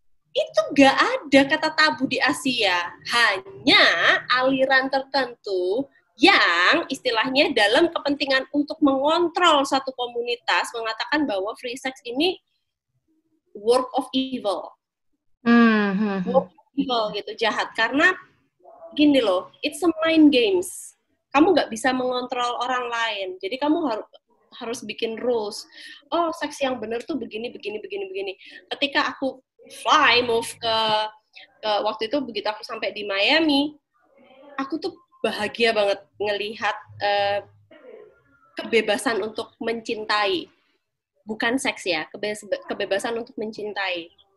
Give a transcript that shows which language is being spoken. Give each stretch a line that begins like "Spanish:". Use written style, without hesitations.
Indonesian: Itu gak ada kata tabu di Asia, hanya aliran tertentu yang istilahnya dalam kepentingan untuk mengontrol satu komunitas mengatakan bahwa
English: free sex
Indonesian: ini
English: work of evil. Mm-hmm. Work of evil
Indonesian: gitu, jahat. Karena gini loh,
English: it's a mind games.
Indonesian: Kamu gak bisa mengontrol orang lain, jadi kamu harus bikin rules. Oh, sex yang benar tuh begini, begini, begini, begini. Ketika aku fly, move ke waktu itu begitu aku sampai di Miami, aku tuh bahagia banget ngelihat kebebasan untuk mencintai, bukan seks ya, kebebasan untuk mencintai.